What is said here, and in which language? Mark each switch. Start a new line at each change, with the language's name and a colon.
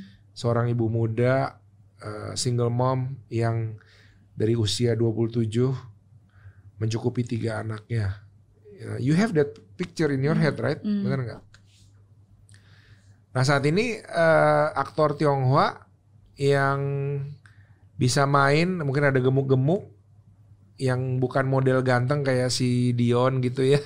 Indonesian: Seorang ibu muda, single mom yang dari usia 27 mencukupi 3 anaknya.
English: You have that picture in your head, right?
Indonesian: Benar enggak? Nah, saat ini aktor Tionghoa yang bisa main, mungkin ada gemuk-gemuk yang bukan model ganteng kayak si Dion gitu ya.